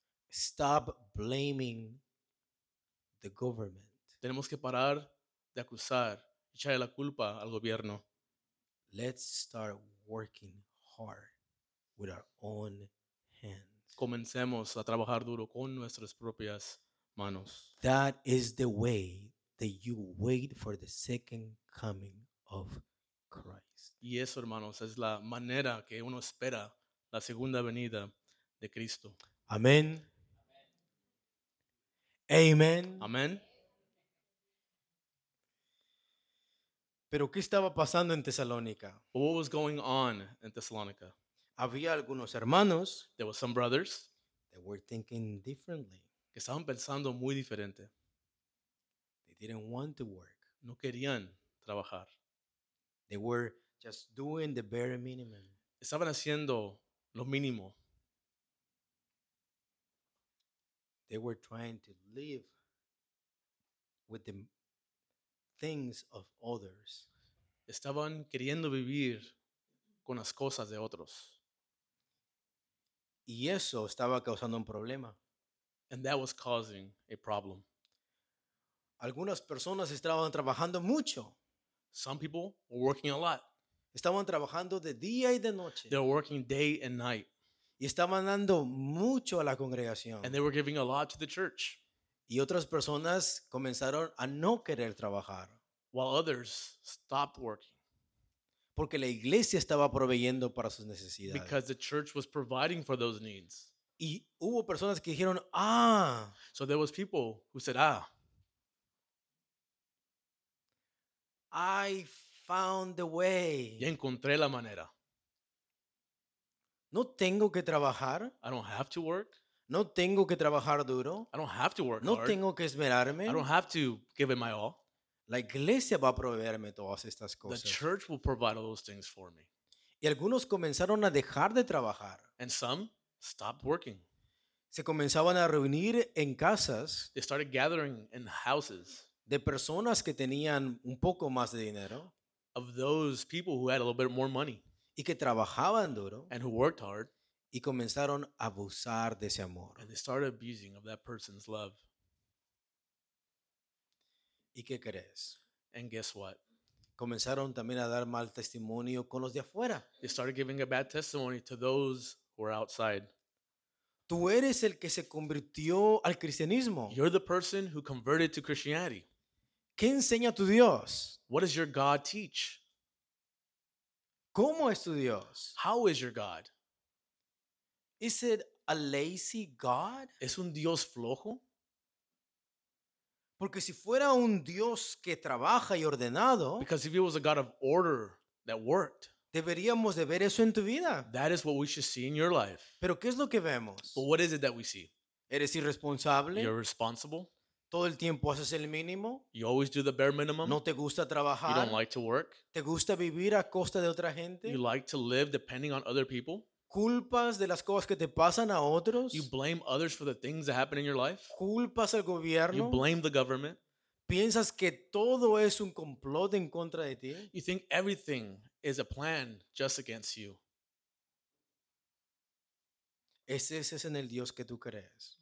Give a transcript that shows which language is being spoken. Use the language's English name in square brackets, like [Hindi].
[English] Stop blaming the government. [Spanish] Tenemos que parar de acusar, echarle la culpa al gobierno. [English] Let's start working hard. With our own hands. [Spanish] Comencemos a trabajar duro con nuestras propias manos. [English] That is the way that you wait for the second coming of Christ. [Spanish] Y eso, hermanos, es la manera que uno espera la segunda venida de Cristo. Amén. Amén. Amén. Pero ¿qué estaba pasando en Tesalónica? [English] What was going on in Thessalonica? [Spanish] Había algunos hermanos, [English] there were some brothers, that were thinking differently, [Spanish] que estaban pensando muy diferente. [English] They didn't want to work. [Spanish] No querían trabajar. [English] They were just doing the bare minimum. [Spanish] Estaban haciendo lo mínimo. [English] They were trying to live with the things of others. [Spanish] Estaban queriendo vivir con las cosas de otros. Y eso estaba causando un problema. [English] And that was causing a problem. [Spanish] Algunas personas estaban trabajando mucho. [English] Some people were working a lot. [Spanish] Estaban trabajando de día y de noche. [English] They were working day and night. [Spanish] Y estaban dando mucho a la congregación. [English] And they were giving a lot to the church. [Spanish] Y otras personas comenzaron a no querer trabajar. [English] While others stopped working. [Spanish] Porque la iglesia estaba proveyendo para sus necesidades. [English] Because the church was providing for those needs. [Spanish] Y hubo personas que dijeron, ah. [English] So there was people who said, ah. I found the way. [Spanish] Ya encontré la manera. No tengo que trabajar. [English] I don't have to work. [Spanish] No tengo que trabajar duro. [English] I don't have to work no hard. [Spanish] Tengo que esmerarme. [English] I don't have to give it my all. [Spanish] La iglesia va a proveerme todas estas cosas. [English] The church will provide all those things for me. [Spanish] Y algunos comenzaron a dejar de trabajar. [English] And some stopped working. [Spanish] Se comenzaban a reunir en casas. [English] They started gathering in houses. [Spanish] De personas que tenían un poco más de dinero. [English] Of those people who had a little bit more money. [Spanish] Y que trabajaban duro. [English] And who worked hard. [Spanish] Y comenzaron a abusar de ese amor. [English] And they started abusing of that person's love. [Spanish] ¿Y qué crees? [English] And guess what? [Spanish] Comenzaron también a dar mal testimonio con los de afuera. [English] They started giving a bad testimony to those who were outside. [Spanish] Tú eres el que se convirtió al cristianismo. [English] You're the person who converted to Christianity. [Spanish] ¿Qué enseña tu Dios? [English] What does your God teach? [Spanish] ¿Cómo es tu Dios? [English] How is your God? Is it a lazy God? [Spanish] ¿Es un Dios flojo? Porque si fuera un Dios que trabaja y ordenado, [English] because if it was a God of order that worked, [Spanish] deberíamos de ver eso en tu vida. [English] That is what we should see in your life. [Spanish] ¿Pero qué es lo que vemos? [English] But what is it that we see? [Spanish] ¿Eres irresponsable? [English] You're responsible. [Spanish] ¿Todo el tiempo haces el mínimo? [English] You always do the bare minimum. [Spanish] ¿No te gusta trabajar? [English] You don't like to work. [Spanish] ¿Te gusta vivir a costa de otra gente? [English] You like to live depending on other people. [Spanish] ¿Culpas de las cosas que te pasan a otros? [English] You blame others for the things that happen in your life. [Spanish] ¿Culpas al gobierno? [English] You blame the government. [Spanish] ¿Piensas que todo es un complot en contra de ti? [English] You think everything is a plan just against you. [Spanish] Ese es en el Dios que tú crees.